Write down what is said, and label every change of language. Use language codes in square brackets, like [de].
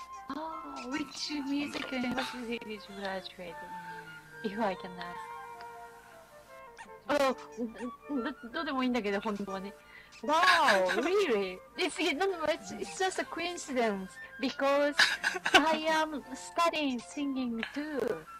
[en] Oh, which music university did you graduate if I can ask? [ja] Oh, どうでもいいんだけど、本当はね。 [en] Wow, really? It's just a coincidence because I am studying singing too.